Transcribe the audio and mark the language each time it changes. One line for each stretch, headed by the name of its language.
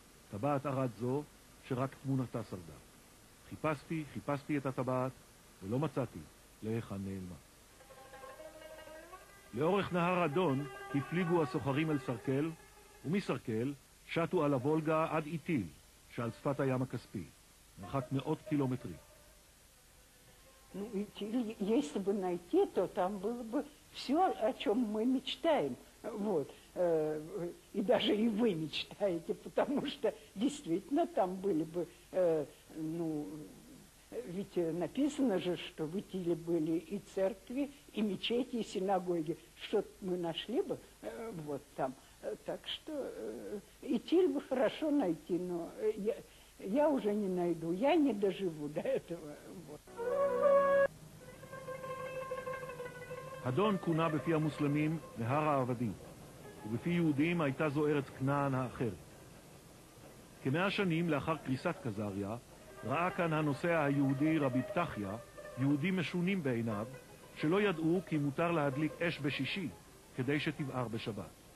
Hebrew: טבעת ערד זו, שרק תמונתה שרדה. חיפשתי, חיפשתי את הטבעת, ולא מצאתי להיכן נעלמה. לאורך נהר אדון הפליגו הסוחרים אל סרקל, ומסרקל שטו על הוולגה עד איטיל, שעל שפת הים הכספי, מרחק מאות קילומטרים.
Russian: Ну, если бы найти, то там было бы все, о чем мы мечтаем. Вот. И даже и вы мечтаете, потому что действительно там были бы, ну, ведь написано же, что в Итиле были и церкви, и мечети, и синагоги. Что-то мы нашли бы вот там. Так что Итиль бы хорошо найти, но я уже не найду, я не доживу до этого. Вот.
Hebrew: אדון כונה בפי המוסלמים נהר העבדים, ובפי יהודים הייתה זו ארץ כנען האחרת. כמאה שנים לאחר קריסת קזריה, ראה כאן הנוסע היהודי רבי פתחיה, יהודים משונים בעיניו, שלא ידעו כי מותר להדליק אש בשישי, כדי שתבער בשבת.